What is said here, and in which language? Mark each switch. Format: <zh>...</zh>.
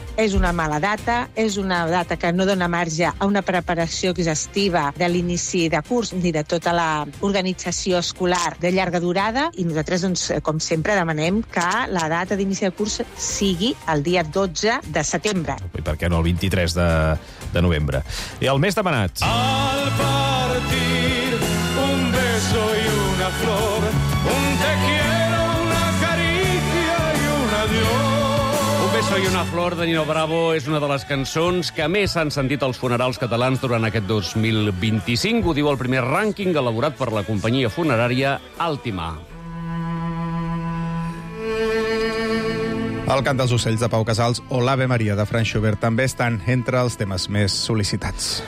<ca>És una mala data, és una data que no dona marge a una preparació exhaustiva de l'inici de curs ni de tota l'organització escolar de llarga durada, i nosaltres, doncs, com sempre, demanem que la data d'inici del curs sigui el dia 12 de setembre. I per què no el 23 de novembre? I el més demanat.</ca> <es>Al partir, un beso y una flor, un te quiero, una caricia y un adiós.</es> <ca>Soy una flor, de Nino Bravo, és una de les cançons que més s'han sentit als funerals catalans durant aquest 2025. Ho diu el primer rànquing elaborat per la companyia funerària Altima. El cant dels ocells de Pau Casals o l'Ave Maria de Franz Schubert també estan entre els temes més sol·licitats.</ca>